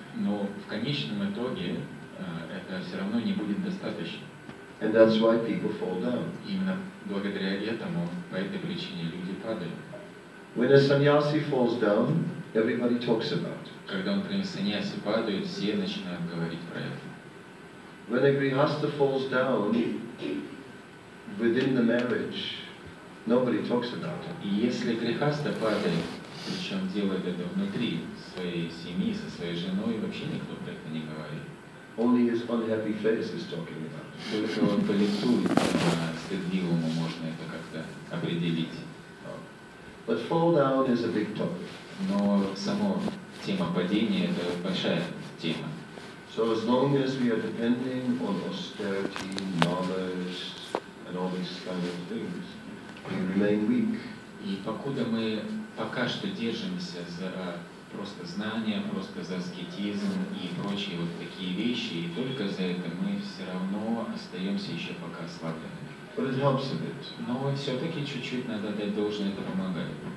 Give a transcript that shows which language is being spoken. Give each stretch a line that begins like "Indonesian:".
Russian: Но в конечном итоге это все равно не будет достаточно.
English: And that's why people fall down.
Russian: Именно благодаря этому, по этой причине люди падают.
English: When a sannyasi falls down, everybody talks about.
Russian: Когда, например, сannyasi падает, все начинают говорить про это.
English: When a grihastha falls down within the marriage, nobody talks about it.
Russian: Если грихаста падает, причем делает это внутри своей семьи, со своей женой, вообще никто про это не говорит.
English: Only his unhappy face is talking about.
Russian: Только он по лицу стыдливому можно это как-то определить.
English: But fall down is a big topic.
Russian: Но само тема падения — это большая тема.
English: So as long as we are depending on austerity, knowledge, and all these kind of things, we remain weak.
Russian: И покуда мы пока что держимся за просто знания, просто за аскетизм и прочие вот такие вещи, и только за это мы все равно остаемся еще пока ослабленными.
English: But it helps a bit.
Russian: Но все-таки чуть-чуть надо дать должное, это помогает.